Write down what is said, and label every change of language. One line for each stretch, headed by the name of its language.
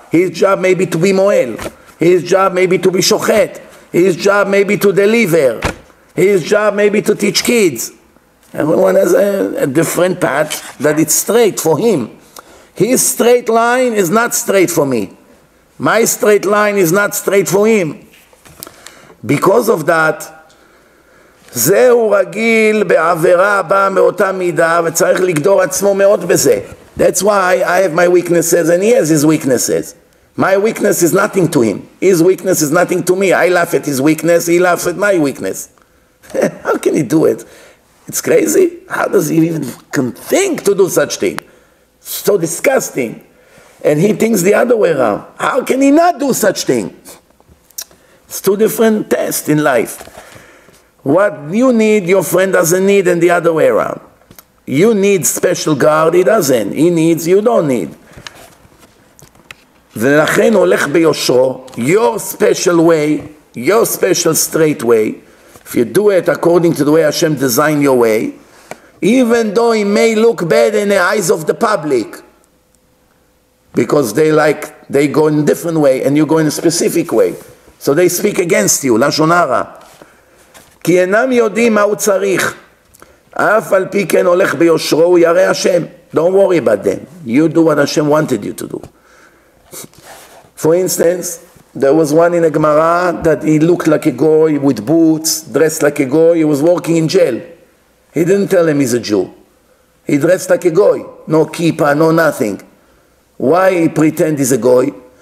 English: His job maybe to be moel. His job maybe to be shochet. His job maybe to deliver. His job maybe to teach kids. Everyone has a different path that it's straight for him. His straight line is not straight for me. My straight line is not straight for him. Because of that,
Hebrew: זהו רגיל בעבירה הבאה מאותה מידה וצריך לגדור עצמו מאוד בזה.
English: That's why I have my weaknesses and he has his weaknesses. My weakness is nothing to him. His weakness is nothing to me. I laugh at his weakness, he laughs at my weakness. How can he do it? It's crazy. How does he even think to do such thing? So disgusting. And he thinks the other way around. How can he not do such thing? It's two different tests in life. What you need, your friend doesn't need, and the other way around. You need special guard, he doesn't. He needs, you don't need.
Hebrew: ולכן הולך ביושרו,
English: your special way, your special straight way, if you do it according to the way Hashem designed your way, even though it may look bad in the eyes of the public, because they go in a different way, and you go in a specific way. So they speak against you, Lashon Hara.
Hebrew: כי אינם יודעים מה הוא צריך. אף על פי כן הולך ביושרו, הוא ירא השם.
English: Don't worry about them. You do what Hashem wanted you to do. For instance, there was one in a Gemara that he looked like a goy with boots, dressed like a goy. He was working in jail. He didn't tell him he's a Jew. He dressed like a goy. No kippah, no nothing. Why he pretend he's a goy?